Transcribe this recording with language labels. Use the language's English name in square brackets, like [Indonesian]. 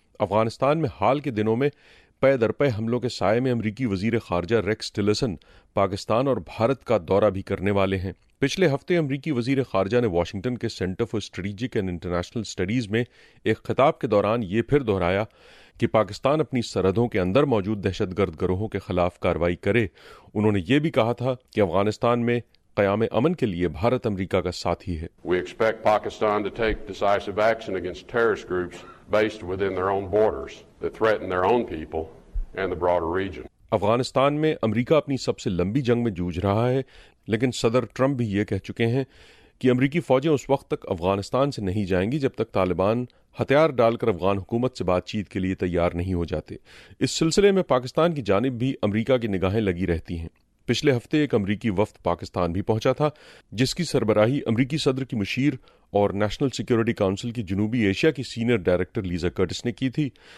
[Urdu] افغانستان میں حال کے دنوں میں پے در پے حملوں کے سائے میں امریکی وزیر خارجہ ریکس ٹیلرسن پاکستان اور بھارت کا دورہ بھی کرنے والے ہیں۔ پچھلے ہفتے امریکی وزیر خارجہ نے واشنگٹن کے centre for strategic and international studies میں ایک خطاب کے دوران یہ پھر دہرایا کہ پاکستان اپنی سرحدوں کے اندر موجود دہشت گرد گروہوں کے خلاف کارروائی کرے۔ انہوں نے یہ بھی کہا تھا کہ افغانستان میں قیام امن کے لیے بھارت امریکہ کا ساتھی ہے۔ [English] We expect Pakistan to take decisive action against terrorist groups based within their own borders that threaten their own people and the broader region. [Urdu] Afghanistan میں امریکہ اپنی سب سے لمبی جنگ میں جوجھ رہا ہے، لیکن صدر ٹرمپ بھی یہ کہہ چکے ہیں کہ امریکی فوجیں اس وقت تک افغانستان سے نہیں جائیں گی جب تک طالبان ہتھیار ڈال کر افغان حکومت سے بات چیت کے لیے تیار نہیں ہو جاتے۔ اس سلسلے میں پاکستان کی جانب بھی امریکہ کی نگاہیں لگی رہتی ہیں۔ پچھلے ہفتے ایک امریکی وفد پاکستان بھی پہنچا تھا، جس کی سربراہی امریکی صدر کی مشیر اور نیشنل سیکیورٹی کونسل کی جنوبی ایشیا کی سینئر ڈائریکٹر لیزا کرٹس نے کی تھی،